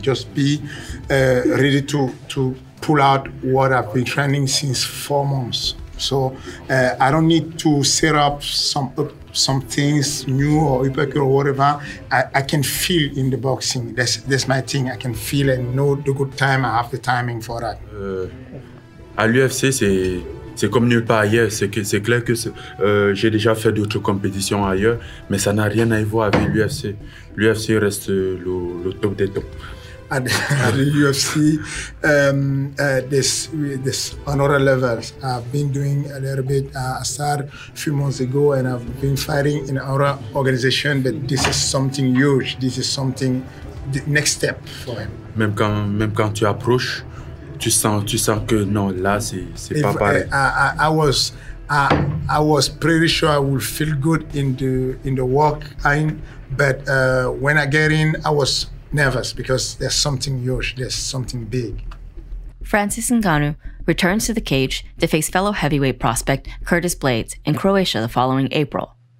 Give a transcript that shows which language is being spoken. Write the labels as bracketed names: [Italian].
[English] Just be ready to pull out what I've been training since 4 months. So I don't need to set up some things new or uppercut or whatever. I can feel in the boxing. That's my thing. I can feel and know the good time. I have the timing for that. [French] At l'UFC, c'est comme nulle part ailleurs. C'est clair que j'ai déjà fait d'autres compétitions ailleurs, mais ça n'a rien à y voir avec l'UFC. L'UFC reste le top des tops. [English] At the UFC, this another level. I've been doing a little bit. I started a few months ago, and I've been fighting in our organization. But this is something huge. This is something the next step for him. [French] Même quand tu approches. tu sens que non, là c'est pas pareil. [English] I was pretty sure I would feel good in the walk, but when I get in, I was nervous because there's something huge, there's something big. Francis Ngannou returns to the cage to face fellow heavyweight prospect Curtis Blaydes in Croatia the following April.